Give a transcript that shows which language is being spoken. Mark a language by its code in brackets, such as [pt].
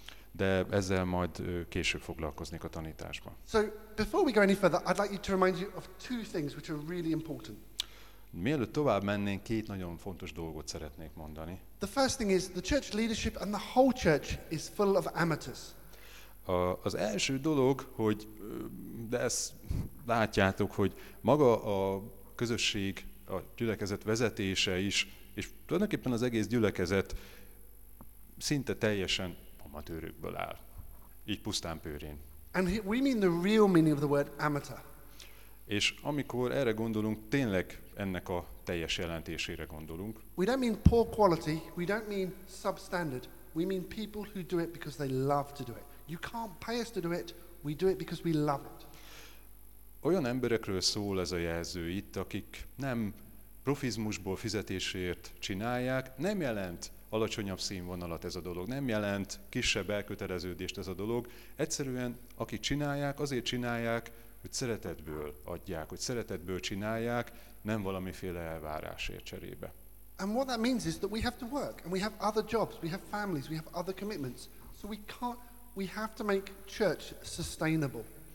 [hu] De ezzel majd később foglalkoznék a tanításban. [en] So before we go any further, I'd like you to remind you of two things which are really important. [hu] Mielőtt tovább mennénk, két nagyon fontos dolgot szeretnék mondani. [en] The first thing is the church leadership and the whole church is full of amateurs. [hu] Az első dolog, hogy de ezt látjátok, hogy maga a közösség, a gyülekezet vezetése is, és tulajdonképpen az egész gyülekezet szinte teljesen amatőrökből áll. Így pusztán pőrén. [en] And we mean the real meaning of the word amateur. [hu] És amikor erre gondolunk, tényleg ennek a teljes jelentésére gondolunk. [en] We don't mean poor quality, we don't mean substandard. We mean people who do it because they love to do it. You can't pay us to do it, we do it because we love it. [hu] Olyan emberekről szól ez a jelző itt, akik nem profizmusból fizetésért csinálják, nem jelent alacsonyabb színvonalat ez a dolog, nem jelent kisebb elköteleződést ez a dolog. Egyszerűen, akik csinálják, azért csinálják, hogy szeretetből adják, hogy szeretetből csinálják, nem valamiféle elvárásért cserébe. [en] And what that means is that we have to work, and we have other jobs, we have families, we have other commitments. So we have to make church sustainable.